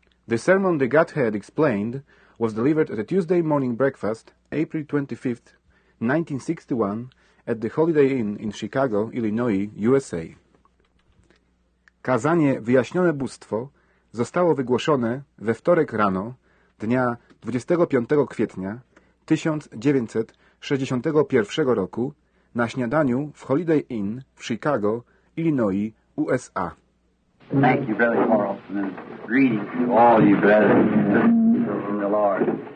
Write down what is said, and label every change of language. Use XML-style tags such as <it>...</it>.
<en>The sermon the Godhead explained was delivered at a Tuesday morning breakfast, April 25, 1961, at the Holiday Inn in Chicago, Illinois, USA.</en> <pl>Kazanie Wyjaśnione Bóstwo zostało wygłoszone we wtorek rano, dnia 25 kwietnia 1961 roku, na śniadaniu w Holiday Inn w Chicago, Illinois, USA.</pl> <en>Thank you, Brother Charles, and greetings to all you brothers in the Lord.</en>